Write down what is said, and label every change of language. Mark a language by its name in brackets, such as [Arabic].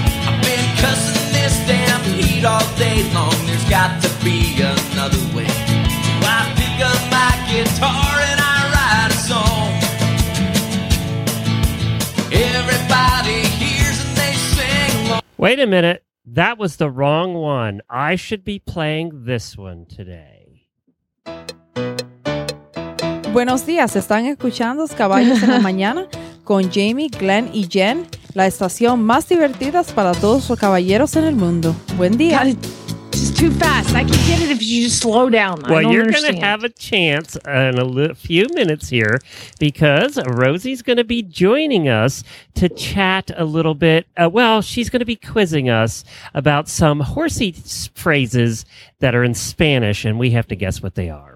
[English] I've been cussing this damn heat all day long, there's got to be another way. So I pick up my guitar and I write a song. Everybody hears and they sing along. Wait a minute, that was the wrong one. I should be playing this one today. [Spanish] Buenos días, están escuchando Caballos en la Mañana con Jamie, Glenn y Jen, la estación más divertida para todos los caballeros en el mundo. Buen día. [English] It's too fast. I can get it if you just slow down. Well, you're going to have a chance in a few minutes here because Rosie's going to be joining us to chat a little bit. Well, she's going to be quizzing us about some horsey phrases that are in Spanish, and we have to guess what they are.